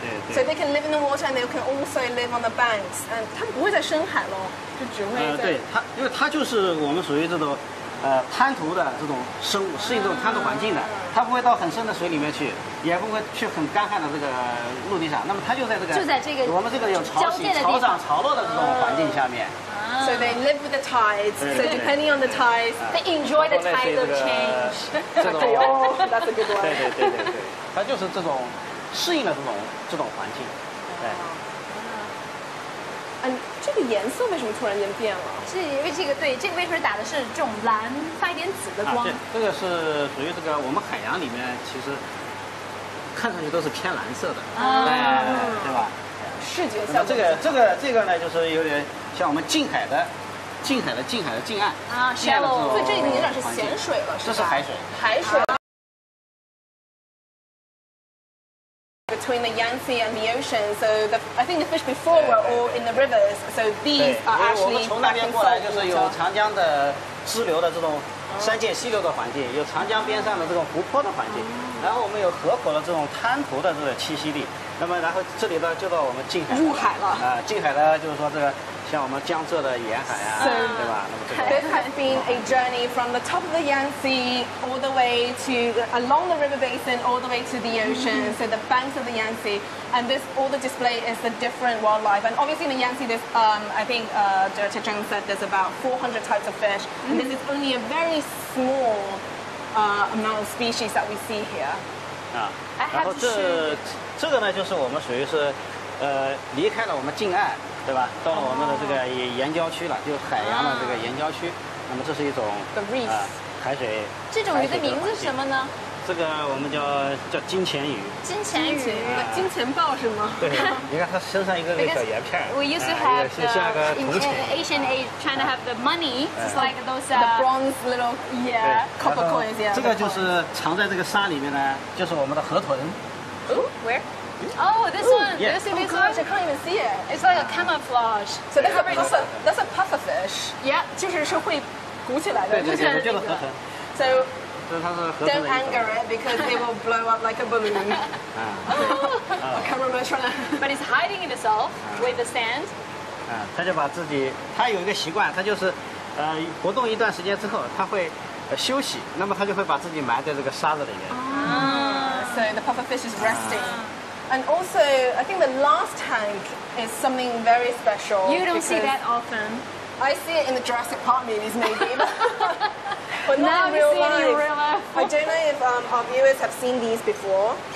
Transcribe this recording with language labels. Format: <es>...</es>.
<en>So they can live in the water and they can also live on the banks.</en> <zh>And 它不会在深海喽，就只会在。对它，因为它就是我们属于这种。滩涂的这种生物，适应这种滩涂环境的，它不会到很深的水里面去，也不会去很干旱的这个陆地上。那么它就在这个，就在这个我们这个有潮汐、潮涨、潮落的这种环境下面。</zh> <en>So they live with the tides. So depending on the tides, they enjoy the tides of change.</en> <zh>这种</zh> <en>that's a good one. 对，</en> <zh>它就是这种适应了这种环境，对。这个颜色为什么突然间变了？是因为这个，对，这个为什么打的是这种蓝，发一点紫的光？这个是属于这个我们海洋里面，其实看上去都是偏蓝色的，对吧？视觉效果。这个呢，就是有点像我们近海的近岸</zh> <en>啊 ，shallow。</en> <zh>所以这里面有点是咸水了，是吧？这是海水。海水。</zh> <en>Between the Yangtze and the ocean, so I think the fish before were all in the rivers. So these are actually.</en> <zh>我们从那边过来，就是有长江的支流的这种山涧溪流的环境，有长江边上的这种湖泊的环境，然后我们有河口的这种滩涂的这个栖息地。那么，然后这里呢，就到我们近海入海了。近海呢，就是说这个像我们江浙的沿海啊，对吧？</zh> <en>This has been a journey from the top of the Yangtze all the way to along the river basin, all the way to the ocean. So the banks of the Yangtze, and this all the display is the different wildlife. And obviously in the Yangtze, there's I think Director Zheng said there's about 400 types of fish, and this is only a very small amount of species that we see here.</en> <zh>然后这个呢，就是我们属于是，离开了我们近岸，对吧？到了我们的这个沿郊区了，就是海洋的这个沿郊区。那么这是一种海水。这种鱼的名字是什么呢？这个我们叫金钱鱼。金钱鱼，金钱豹是吗？对，你看它身上一个小圆片。</zh> <en>We used to have the ancient age trying to have the money, just like those the bronze little copper coins.</en> <zh>这个就是藏在这个沙里面呢，就是我们的河豚。</zh> <en>Where? Oh, this one. Yeah. Oh, gosh, I can't even see it. It's like a camouflage. So that's a puffer. That's a puffer fish. Yeah.</en> <zh>就是是会鼓起来的。对对对，就是河豚。</zh> <en>So don't anger it because it will blow up like a balloon. Oh, camera's trying. But it's hiding itself with the sand.</en> <zh>它就把自己，它有一个习惯，它就是，活动一段时间之后，它会休息，那么它就会把自己埋在这个沙子里面。</zh> <en>So the puffer fish is resting. And also, I think the last tank is something very special. You don't see that often. I see it in the Jurassic Park movies, maybe. But not in real life. I don't know if our viewers have seen these before.</en>